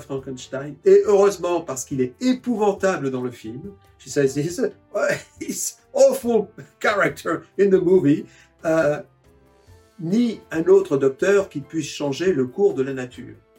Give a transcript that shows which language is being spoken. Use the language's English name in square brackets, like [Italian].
[French] Frankenstein, et heureusement, parce qu'il est épouvantable dans le film. [English] She says, he's awful character in the movie. [French] Ni un autre docteur qui puisse changer le cours de la nature.